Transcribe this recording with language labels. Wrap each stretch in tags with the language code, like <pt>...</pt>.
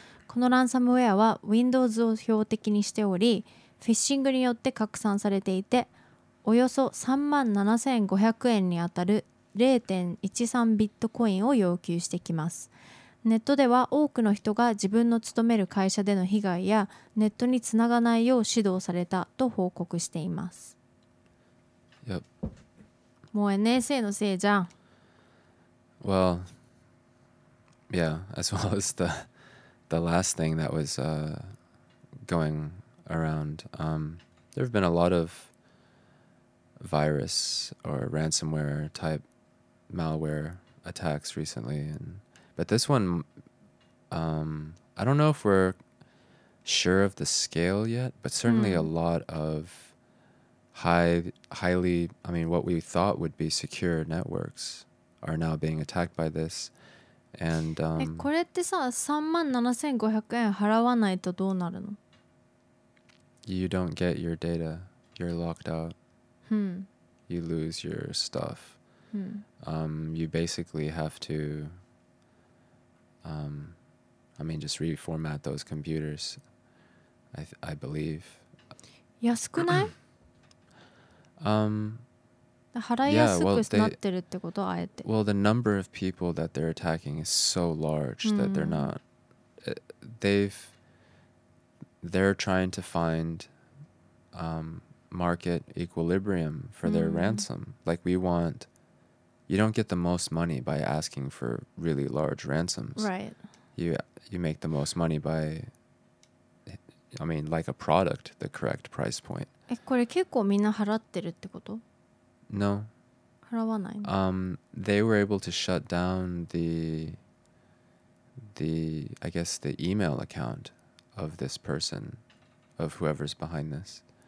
<ja>このランサムウェアは Windows を標的にしており、フィッシングによって拡散されていて、およそ37,500円にあたる 0.13 ビットコインを要求してきます。ネットでは多くの人が自分の勤める会社での被害やネットにつながないよう指導されたと報告しています。</ja> <en>Yep.</en> <ja>もう NSA のせいじゃん。</ja> <en>Well, yeah, as well as the last thing that was going around. There have been a lot of virus or ransomware type malware attacks recently, but this one, I don't know if we're sure of the scale yet, but certainly a lot of what we thought would be secure networks are now being attacked by this. And</en> <ja>これってさ、37,500円払わないとどうなるの?</ja> <en>You don't get your data. You're locked out. You lose your stuff. You basically have to, just reformat those computers, I believe.</en> <ja>安くない?</ja> <en>Well, the number of people that they're attacking is so large that they're not... They're trying to find market equilibrium for their ransom. Like, you don't get the most money by asking for really large ransoms. Right. You make the most money by, like a product, the correct price point.</en> <ja>これ結構みんな払ってるってこと?</ja> <en>No.</en> <ja>払わない?</ja> <en>They were able to shut down the email account of this person, of whoever's behind this.</en>